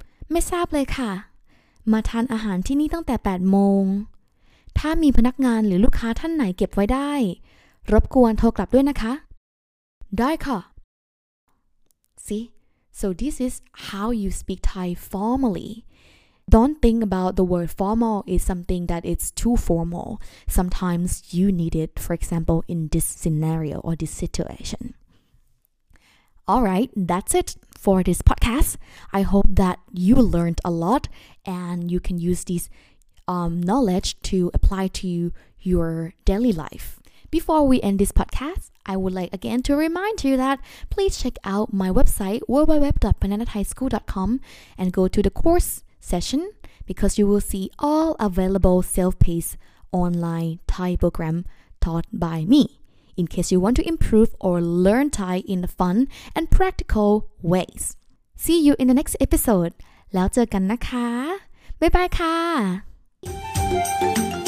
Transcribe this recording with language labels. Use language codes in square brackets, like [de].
[th] ไม่ทราบเลยค่ะมาทานอาหารที่นี่ตั้งแต่8โมงถ้ามีพนักงานหรือลูกค้าท่านไหนเก็บไว้ได้รบกวนโทรกลับด้วยนะคะ ได้ค่ะ [en] See, so this is how you speak Thai formally. Don't think about the word formal is something that is too formal. Sometimes you need it, for example, in this scenario or this situation. All right, that's it for this podcast. I hope that you learned a lot and you can use this knowledge to apply to your daily life. Before we end this podcast,I would like again to remind you that please check out my website www.bananathaischool.com and go to the course session because you will see all available self-paced online Thai program taught by me in case you want to improve or learn Thai in a fun and practical ways. See you in the next episode. [th] แล้วเจอกันนะคะ. [en] Bye bye ค่ะ.